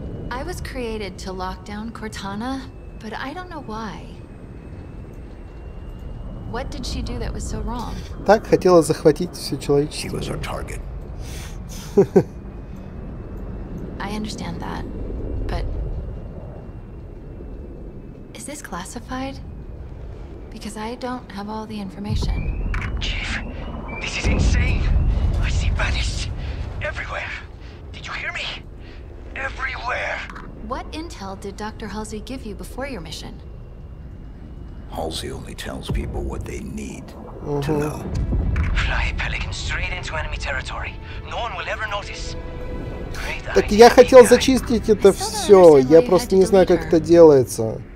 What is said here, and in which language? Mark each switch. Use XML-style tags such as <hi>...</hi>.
<en>I was created to lock down Cortana, but I don't know why. What did she do that was so wrong?</en> <ru>Так хотела захватить все человечество.</ru> <en>She was our target. I understand that, but is this classified? Because I don't have all the information. Chief, this is insane. I see baddies everywhere. Did you hear me? Everywhere. What intel did Dr. Halsey give you before your mission? Halsey only tells people what they need to know. Fly a pelican straight into enemy territory. No one will ever notice.</en> <ru>Так я хотел зачистить это все. Я просто не знаю, как это делается.</ru>